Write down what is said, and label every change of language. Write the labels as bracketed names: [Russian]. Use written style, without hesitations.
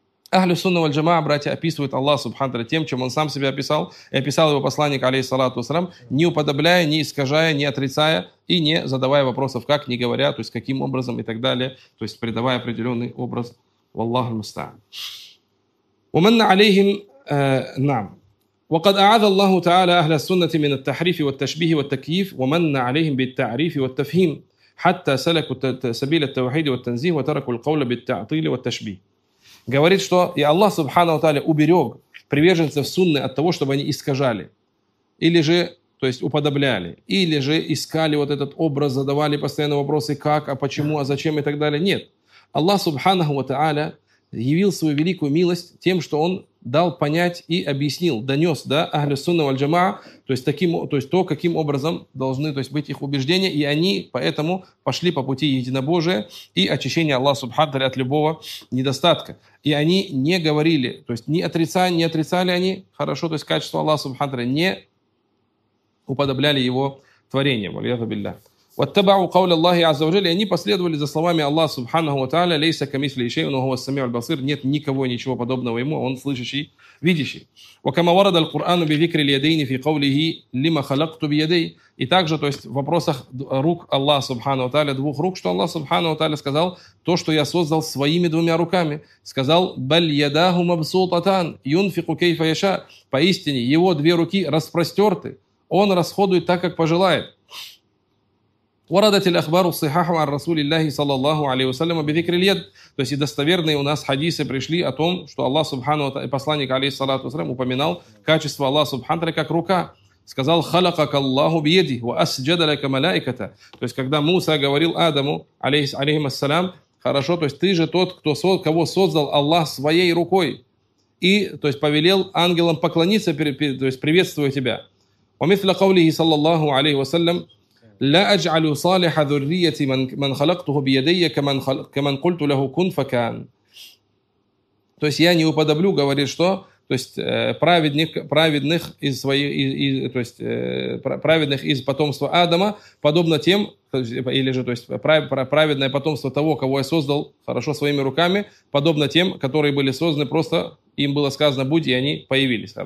[Russian] Ахлю сунна валь джамаа, братья, описывают Аллах Субханаху тем, чем он сам себя описал, и описал его посланник, алейхиссалату вассалям, не уподобляя, не искажая, не отрицая и не задавая вопросов, как, не говоря, то есть каким образом и так далее, то есть придавая определенный образ. [Arabic] Аллах муста. ومن عليهم نعم وقد أعاذ الله تعالى أهل السنة من التحريف والتشبيه والتكييف ومن عليهم بالتعريف والتفهيم حتى سلكوا سبيل التوحيد والتنزيه وتركوا القول بالتعطيل والتشبيه. [Russian] Говорит, что и Аллах Субханаху ва Тааля уберег приверженцев сунны от того, чтобы они искажали или же, то есть уподобляли, или же искали вот этот образ, задавали постоянно вопросы, как, а почему, а зачем и так далее. Нет. Аллах Субханаху ва Тааля явил свою великую милость тем, что он дал понять и объяснил, донес, да, Ахлю Сунна валь Джамаа, то есть таким, то есть то, каким образом должны, то есть быть их убеждения, и они поэтому пошли по пути единобожия и очищения Аллаха Субхану ва Тааля от любого недостатка. И они не говорили, то есть не отрицали они, хорошо, то есть качество Аллаха Субхану ва Тааля, не уподобляли его творением. [Arabic] Валиаду билляхи. واتبعوا قول الله عز وجل يعني [Russian] последовали за словами Аллаха Субханаху ва Тааля [Arabic] ليس كمثله شيء وهو السميع البصير. [Russian] Нет никого и ничего подобного ему, он слышащий, видящий. [Arabic] وكما ورد القرآن بذكر اليدين في قوله لما خلقت بيدي. [Russian] И также, то есть в вопросах рук Аллаха Субханаху ва Тааля, двух рук, что Аллах Субханаху ва Тааля сказал, то, что я создал своими двумя руками, сказал [Arabic] بل يداه مبسوطتان ينفق كيف يشاء. [Russian] Поистине его две руки распростёрты, он расходует так, как пожелает. [Arabic] وردت الأخبار الصحيحة عن رسول الله صلى الله عليه وسلم بذكر اليد. [Russian] То есть достоверные у нас хадисы пришли о том, что Аллах Субхану и посланник алейхиссалату вассалям упоминал качество Аллаха Субхану тааля как рука. Сказал [Arabic] خلقك الله بيده وأسجد لك ملائكته. [Russian] То есть когда Муса говорил Адаму алейхиссалям Хорошо, то есть ты же тот, кого создал Аллах своей рукой. И, то есть, повелел ангелам поклониться, то есть, приветствую тебя. [Arabic] ومثل قوله صلى الله عليه وسلم لا أجعل صالح ذريتي من خلقته بيدي كمن قلت له كن فكان. [Russian] То есть, я не уподоблю, говорит, что то есть, праведных из потомства Адама, подобно тем, или же то есть, праведное потомство того, кого я создал хорошо своими руками, подобно тем, которые были созданы, просто им было сказано «будь», и они появились.